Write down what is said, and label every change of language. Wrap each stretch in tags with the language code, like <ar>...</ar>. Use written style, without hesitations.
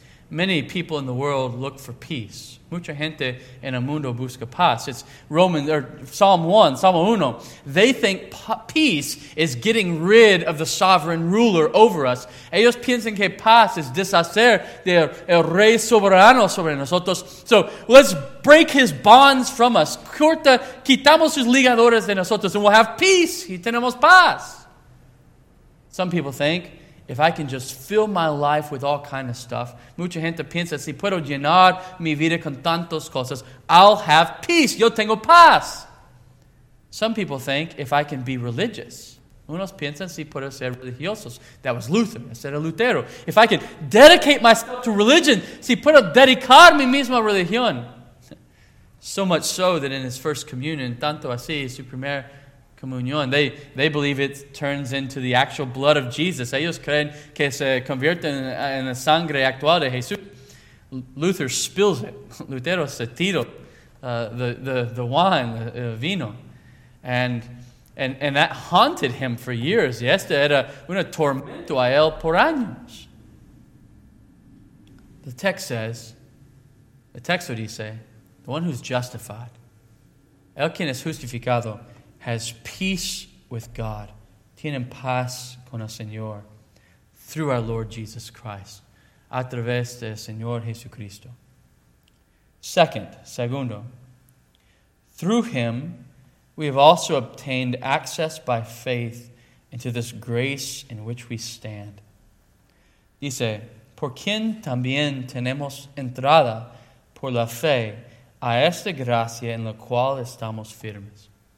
<en>Many people in the world look for peace.</en> <es>Mucha gente en el mundo busca paz.</es> <en>It's Romans or Psalm 1, Psalm 1. They think peace is getting rid of the sovereign ruler over us.</en> <es>Ellos piensan que paz es deshacer del rey soberano sobre nosotros.</es> <en>So let's break his bonds from us.</en> <es>Corta, quitamos sus ligaduras de nosotros</es> <en>and we'll have peace.</en> <es>Y tenemos paz.</es> <en>Some people think, if I can just fill my life with all kinds of stuff,</en> <es>mucha gente piensa, si puedo llenar mi vida con tantas cosas,</es> <en>I'll have peace.</en> <es>Yo tengo paz.</es> <en>Some people think, if I can be religious.</en> <es>Unos piensan, si puedo ser religiosos.</es> <en>That was Luther.</en> <es>Ese era Lutero.</es> <en>If I can dedicate myself to religion,</en> <es>si puedo dedicar mi misma religión.</es> <en>So much so that in his first communion,</en> <es>tanto así, su primer comunión.</es> <en>They believe it turns into the actual blood of Jesus.</en> <es>Ellos creen que se convierte en la sangre actual de Jesús.</es> <en>Luther spills it.</en> <es>Lutero se tira</es> <en>the wine, the vino. And that haunted him for years.</en> <es>Y este era una tormento a él por años. The texto dice,</es> <en>the one who's justified,</en> <es>el quien es justificado,</es> <en>has peace with God,</en> <es>tiene paz con el Señor,</es> <en>through our Lord Jesus Christ,</en> <es>a través del Señor Jesucristo.</es> <en>Segundo, through him, we have also obtained access by faith into this grace in which we stand.</en> <es>Dice, por quien también tenemos entrada por la fe a esta gracia en la cual estamos firmes.</es>